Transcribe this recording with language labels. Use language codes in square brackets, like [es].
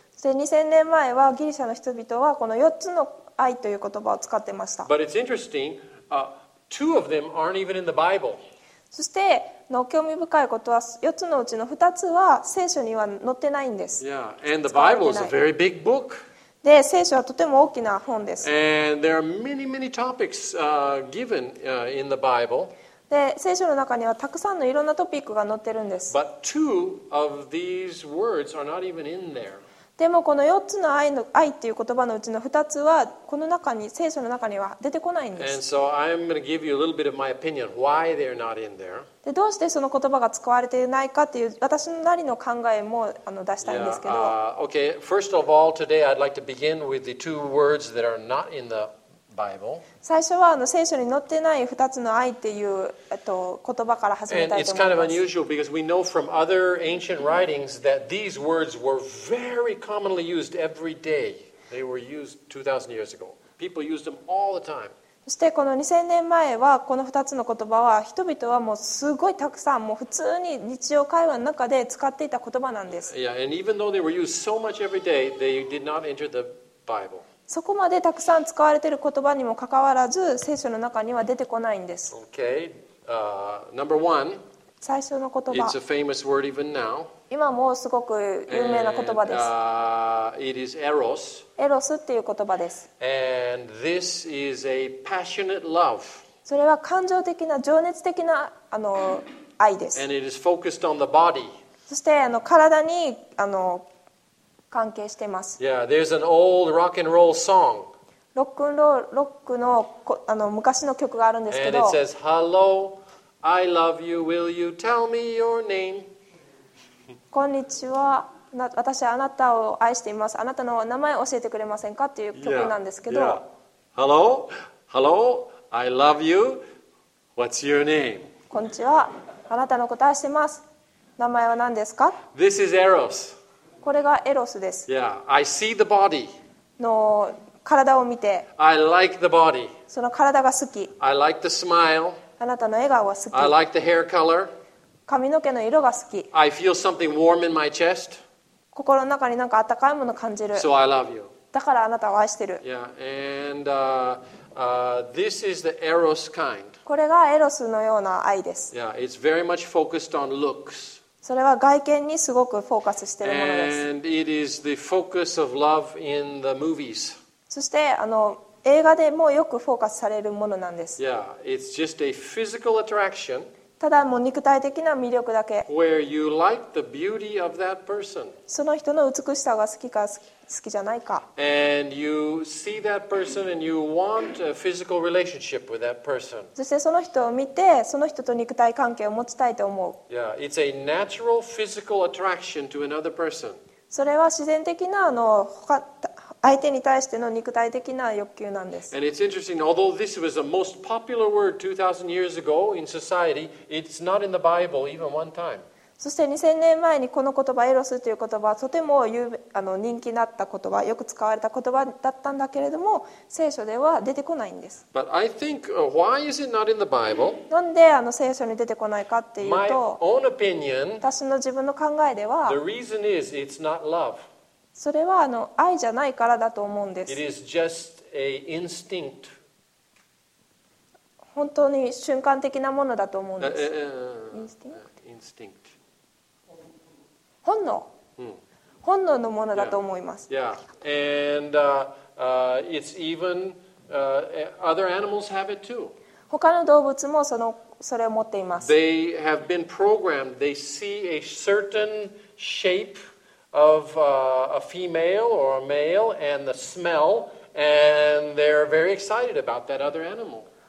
[ja] そして2000年前は、ギリシャの人々はこの4つの愛という言葉を使ってました。 [en] But it's interesting, two of them aren't even in the Bible. [ja] そしての興味深いことは4つのうちの2つは聖書には載ってないんです。 [en] Yeah, and the Bible is a very big book. [ja] で、聖書はとても大きな本です。 [en] And there are many, many topics given in the Bible. [ja] で、聖書の中にはたくさんのいろんなトピックが載ってるんです。 [en] But two of these words are not even in there. [ja] でもこの4つの愛の愛っていう言葉のうちの2つはこの中に聖書の中には出てこないんです。 [en] And so I'm going to give you a little bit of my opinion why they're not in there. [ja] でどうしてその言葉が使われていないかという私なりの考えもあの出したいんですけど。 [en] Yeah, okay, first of all, today I'd like to begin with the two words that are not in the Bible. [ja] 最初はあの聖書に載ってない2つの愛っていう、言葉から始めたいと思います。 [en] And it's kind of unusual because we know from other ancient writings that these words were very commonly used every day. They were used 2,000 years ago. People used them all the time. [ja] そしてこの2000年前はこの2つの言葉は人々はもうすごいたくさんもう普通に日常会話の中で使っていた言葉なんです。 [en] Yeah, and even though they were used so much every day, they did not enter the Bible. [ja] そこまでたくさん使われている言葉にもかかわらず聖書の中には出てこないんです。 [en] Okay, number one. [ja] 最初の言葉。 [en] It's a famous word even now. [ja] 今もすごく有名な言葉です。 [en] It is eros. [ja] エロスっていう言葉です。 [en] And this is a passionate love. [ja] それは感情的な情熱的なあの愛です。 [en] And it is focused on the body. [ja] そしてあの体にあの関係しています。 [en] Yeah, there's an old rock and roll song. [ja] ロックンロール、ロックの、あの昔の曲があるんですけど。 [en] And it says, Hello, I love you, will you tell me your name? [ja] こんにちは。私はあなたを愛しています。あなたの名前を教えてくれませんかっていう曲なんですけど。 [en] Yeah, yeah. Hello, I love you. What's your name? [ja] こんにちは。あなたのこと愛しています。名前は何ですか? [en] This is Eros. [ja] これがエロスです。 [en] Yeah, I see the body. [ja] の体を見て。 [en] I like the body. [ja] その体が好き。 [en] I like the smile. [ja] あなたの笑顔は好き。 [en] I like the hair color. [ja] 髪の毛の色が好き。 [en] I feel something warm in my chest. [ja] 心の中になんか温かいものを感じる。 [en] So I love you. [ja] だからあなたを愛してる。 [en] Yeah. And, this is the eros kind. [ja] これがエロスのような愛です。 [en] Yeah. It's very much focused on looks. [ja] それは外見にすごくフォーカスしているものです。 [en] And it is the focus of love in the movies. [ja] そしてあの映画でもよくフォーカスされるものなんです。 [en] Yeah. It's just a physical attraction. [ja] ただもう肉体的な魅力だけ。 [en] Where you like the beauty of that person. [ja] その人の美しさが好きか好きじゃないか。 [en] And you see that person and you want a physical relationship with that person. [ja] そしてその人を見て、その人と肉体関係を持ちたいと思う。 [en] Yeah, it's a natural physical attraction to another person. [ja] それは自然的なあの相手に対しての肉体的な欲求なんです。 [en] And it's interesting, although this was the most popular word 2,000 years ago in society, it's not in the Bible even one time. [ja] そして2000年前にこの言葉、エロスという言葉はとても有あの人気になった言葉、よく使われた言葉だったんだけれども、聖書では出てこないんです。 [en] But I think, why is it not in the Bible? [ja] なんであの聖書に出てこないかっていうと、 [en] My own opinion, [ja] 私の自分の考えでは、 [en] the reason is it's not love. [ja] それはあの愛じゃないからだと思うんです。 [en] It is just a instinct. [ja] 本当に瞬間的なものだと思うんです。 [en] Instinct. [ja] 本能。本能のものだと思います。 [en] Yeah. And it's even other animals have it too. [ja] 他の動物もそのそれを持っています。 [en] They have been programmed. They see a certain shape. Of a female or a male and the smell, and they're very excited about that other animal.